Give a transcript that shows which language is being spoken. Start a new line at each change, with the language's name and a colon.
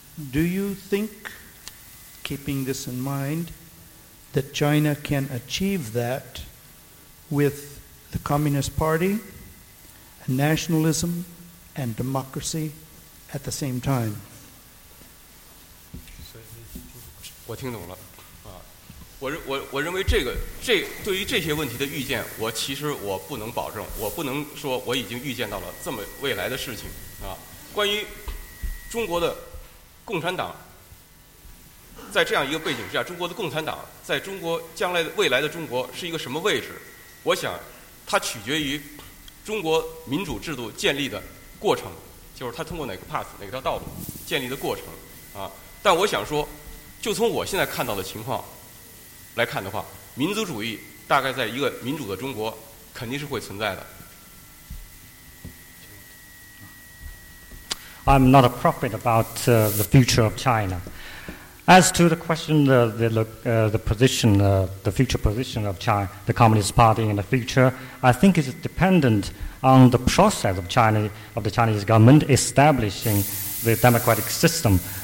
English: Do you think, keeping this in mind, that China can achieve that with the Communist Party and nationalism? And democracy at the same time.
Chinese: 我听懂了，啊，我认为对于这些问题的预见，我不能保证，我不能说我已经预见到了这么未来的事情啊。关于中国的共产党，在这样一个背景之下，中国的共产党在中国将来的未来的中国是一个什么位置？我想，它取决于中国民主制度建立的过程，就是它通过哪个 path 哪条道路建立的过程啊。但我想说，就从我现在看到的情况来看的话，民族主义大概在一个民主的中国肯定是会存在的。
English: I'm not a prophet about the future of China. As to the question, the position, the future position of China, the Communist Party in the future, I think it's dependent on the process of China, of the Chinese government establishing the democratic system.